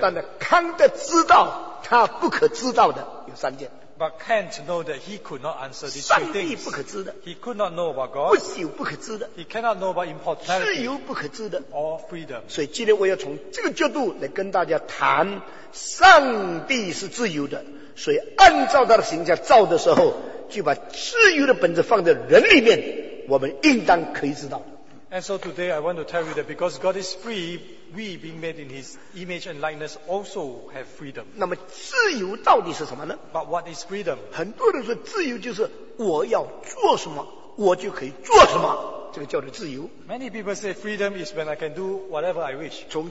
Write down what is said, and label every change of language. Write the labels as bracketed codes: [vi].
[zh] 但呢，康德知道他不可知道的有三件。 [en] But Kant know that he could not answer these three things. [zh] 上帝不可知的, [en] he could not know about God. [zh] 不朽不可知的, [en] he cannot know about immortality. [zh] 自由不可知的, [en] or freedom. [zh] 所以今天我要从这个角度来跟大家谈，上帝是自由的。所以按照他的形象造的时候, 就把自由的本质放在人里面, 我们应当可以知道。 [en] And so today I want to tell you that because God is free, we being made in His image and likeness also have freedom. [zh] 那么自由到底是什么呢? [en] But what is freedom? [zh] 很多人说自由就是我要做什么，我就可以做什么，这个叫做自由。 [en] Many people say freedom is when I can do whatever I wish.